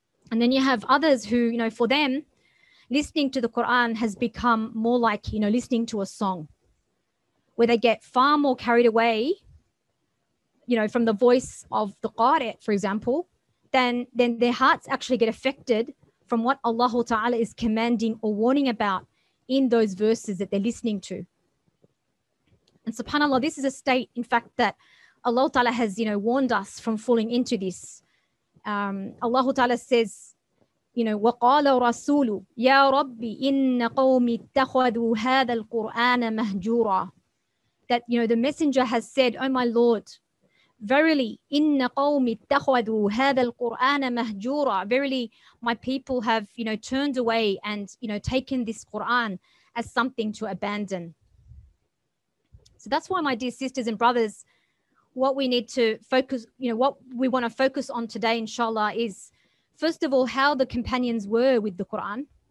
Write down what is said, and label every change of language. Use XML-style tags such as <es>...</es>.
<en>And then you have others who, you know, for them, listening to the Quran has become more like, you know, listening to a song, where they get far more carried away, you know, from the voice of the Qari, for example, then their hearts actually get affected from what Allah Ta'ala is commanding or warning about in those verses that they're listening to. And subhanAllah, this is a state, in fact, that Allah Ta'ala has, you know, warned us from falling into this. Allah Ta'ala says, you know,</en> <ar>وَقَالَ رَسُولُ يَا رَبِّ إِنَّ قَوْمِ اتَّخَذُوا هَذَا الْقُرْآنَ مَهْجُورًا.</ar> <en>That, you know, the messenger has said, oh my Lord, verily,</en> <ar>إِنَّ قَوْمِ اتَّخَذُوا هَذَا الْقُرْآنَ مَهْجُورًا.</ar> <en>Verily, my people have, you know, turned away and, you know, taken this Quran as something to abandon. So that's why, my dear sisters and brothers, what we need to focus, you know, what we want to focus on today, inshallah, is first of all, how the companions were with the Quran.</en>